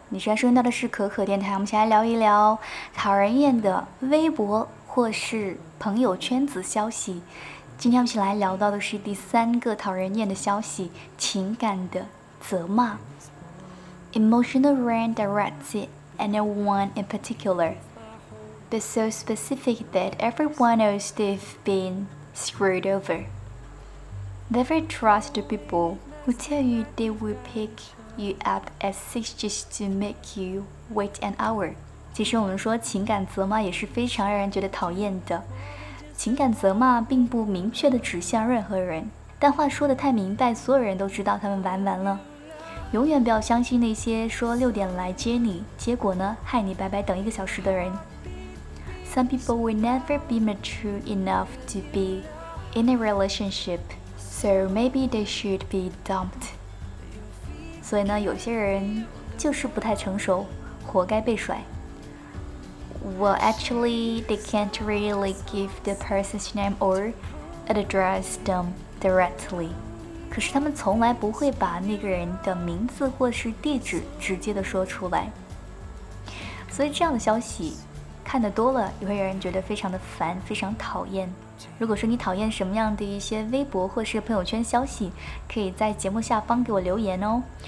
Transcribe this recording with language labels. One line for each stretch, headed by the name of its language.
Chinese: 你现在收听到的是可可电台。我们先来聊一聊讨人厌的微博或是朋友圈子消息。今天我们先来聊到的是第三个讨人厌的消息，情感的责骂。
English: Emotional rant directs anyone in particular, but so specific that everyone knows they've been screwed over. Never trust the people. Who tell you they will pick you up at 6 just to make you wait an hour?
Chinese: 其实我们说情感责骂也是非常让人觉得讨厌的。情感责骂并不明确地指向任何人，但话说得太明白，所有人都知道他们玩完了。永远不要相信那些说六点来接你，结果呢，害你白白等一个小时的人。
English: Some people will never be mature enough to be in a relationship. So maybe they should be dumped.
Chinese: 所以呢，有些人就是不太成熟，活该被甩。
English: Well, actually, they can't really give the person's name or address them directly.
Chinese: 可是他们从来不会把那个人的名字或是地址直接的说出来。所以这样的消息看得多了，也会让人觉得非常的烦，非常讨厌。如果说你讨厌什么样的一些微博或是朋友圈消息，可以在节目下方给我留言哦。